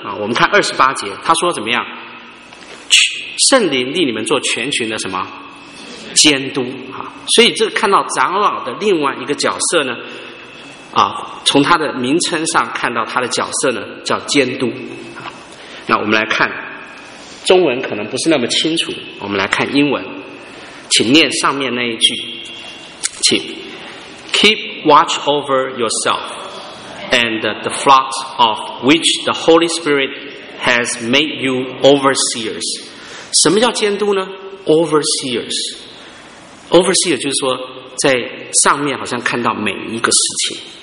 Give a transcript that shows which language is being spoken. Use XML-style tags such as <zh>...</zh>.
<zh>我们看28节，他说怎么样，圣灵立你们做全群的什么监督。所以这看到长老的另外一个角色呢，从他的名称上看到他的角色呢叫监督。那我们来看中文可能不是那么清楚，我们来看英文，请念上面那一句，请</zh> <en>Keep watch over yourself and the flock of which the Holy Spirit has made you overseers。</en> <zh>什么叫监督呢？ Overseers， Overseer 就是说在上面好像看到每一个事情。</zh>